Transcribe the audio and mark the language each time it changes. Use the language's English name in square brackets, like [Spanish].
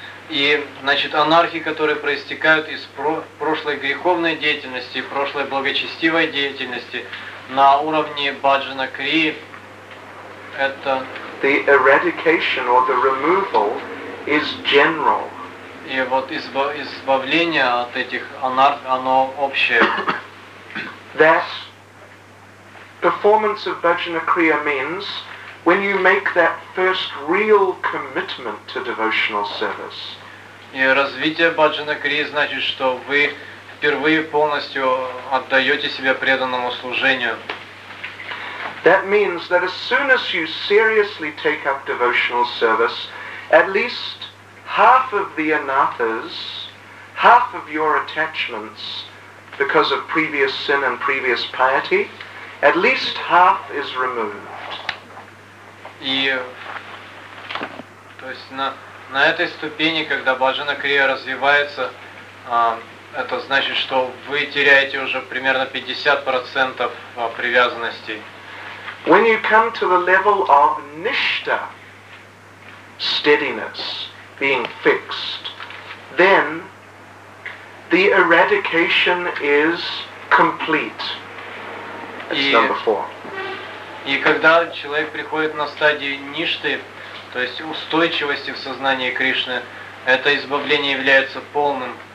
[Russian] И, значит, анархии, которые проистекают из прошлой греховной деятельности, прошлой благочестивой деятельности на уровне баджана крии, это... [English] The eradication or the removal is general. [Russian] И вот избавление от этих анарх, оно общее. [English] That performance of баджана крия means when you make that first real commitment to devotional service. [Russian] И развитие баджана крии значит, что вы впервые полностью отдаете себя преданному служению. [English] That means that as soon as you seriously take up devotional service, at least half of the anathas, half of your attachments because of previous sin and previous piety, at least half is removed. [Russian] И то есть на этой ступени, когда баджана крия развивается, Это значит, что вы теряете уже примерно 50% привязанности. [English] When you come to the level of nishta, steadiness, being fixed, then the eradication is complete. That's number four. [Russian] И когда человек приходит на стадию ништы, то есть устойчивости в сознании Кришны, это избавление является полным.